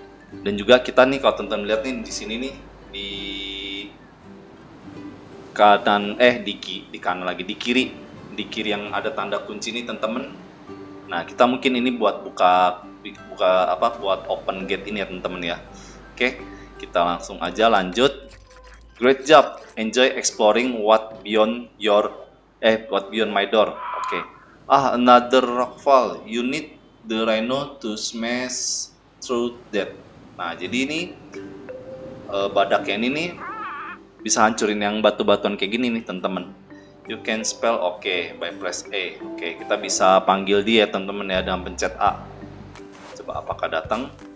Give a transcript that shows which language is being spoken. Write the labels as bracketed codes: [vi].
[id] Dan juga kita nih kalau teman-teman lihat nih di sini nih di kanan di kiri yang ada tanda kunci nih teman-teman. Nah, kita mungkin ini buat buka apa buat open gate ini ya teman-teman ya. Oke, kita langsung aja lanjut. [en] Great job. Enjoy exploring what beyond your what beyond my door. Oke. Okay. Ah, another rockfall. You need the rhino to smash through that. [id] Nah, jadi ini badak yang ini bisa hancurin yang batu-batuan kayak gini nih, teman-teman. [en] You can spell okay by press A. [id] Oke, okay, kita bisa panggil dia, teman-teman ya, dengan pencet A. Coba apakah datang?